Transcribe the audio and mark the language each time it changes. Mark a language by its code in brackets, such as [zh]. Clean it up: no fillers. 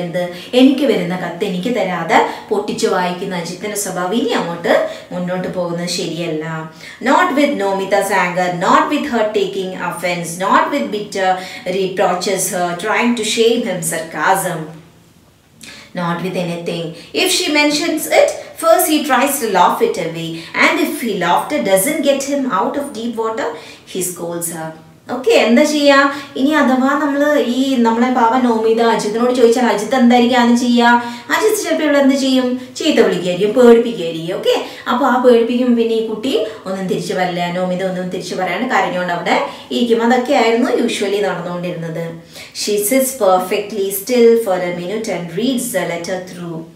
[ml] എന്ത്, എനിക്ക് വരുന്ന കത്ത് എനിക്ക് തരാതെ പൊട്ടിച്ചു വായിക്കുന്ന അജിത്തിൻ്റെ സ്വഭാവം ഇനി അങ്ങോട്ട് മുന്നോട്ട് പോകുന്നത് ശരിയല്ല. [en] Not with നോമിതാസ് anger, not with her taking offence, not with bitter reproaches her trying to shame him sarcasm, not with anything if she mentions it First, he tries to laugh it away. And if he laughter doesn't get him out of deep water, he scolds her. [ml] Okay, എന്താ ചെയ്യുക ഇനി? അഥവാ നമ്മൾ ഈ നമ്മളെ പാവ നോമിത അജിത്തിനോട് ചോദിച്ചാൽ അജിത്ത് എന്തായിരിക്കും അത് ചെയ്യുക? അജിത്ത് ചിലപ്പോൾ ഇവിടെ എന്ത് ചെയ്യും? ചീത്ത വിളിക്കുകയായിരിക്കും, പേടിപ്പിക്കുകയായിരിക്കും. ഓക്കെ, അപ്പോൾ ആ പേടിപ്പിക്കും, പിന്നെ ഈ കുട്ടി ഒന്നും തിരിച്ചു പറയില്ല, നോമിത ഒന്നും തിരിച്ചു പറയാണ്ട് കരഞ്ഞുകൊണ്ട് അവിടെ ഇരിക്കും. അതൊക്കെ ആയിരുന്നു usually നടന്നുകൊണ്ടിരുന്നത്. [en] She sits perfectly still for a minute and reads the letter through.